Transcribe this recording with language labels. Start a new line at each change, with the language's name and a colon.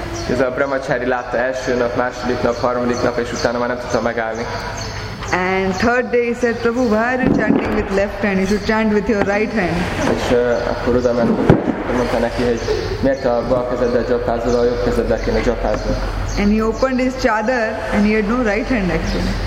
Hungarian: Ez a brahmachari látta első nap, második nap, harmadik nap, és utána már nem tudta megállni.
English: And third day he said, Prabhu, why are you chanting with left hand? You should chant with your right hand.
Hungarian: És akkor oda ment, mondta neki, hogy miért a bal kezeddel japázol, a jobb kezeddel kéne japázol.
English: And he opened his chadar and he had no right hand actually.